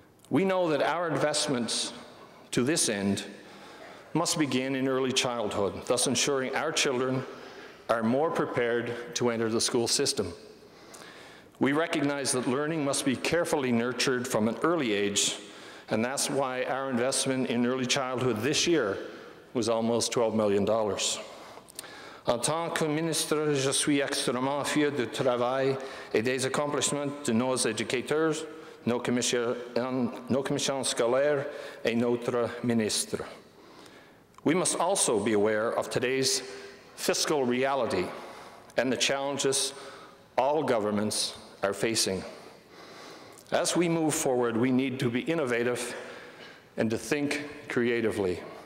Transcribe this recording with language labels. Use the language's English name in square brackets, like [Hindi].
[English] We know that our investments to this end must begin in early childhood, thus ensuring our children are more prepared to enter the school system. We recognize that learning must be carefully nurtured from an early age, and that's why our investment in early childhood this year was almost $12 million. [French] En tant que ministre, je suis extrêmement fier du travail et des accomplissements de nos éducateurs, nos commissions scolaires et notre ministre. [English] We must also be aware of today's fiscal reality and the challenges all governments are facing. As we move forward, we need to be innovative and to think creatively.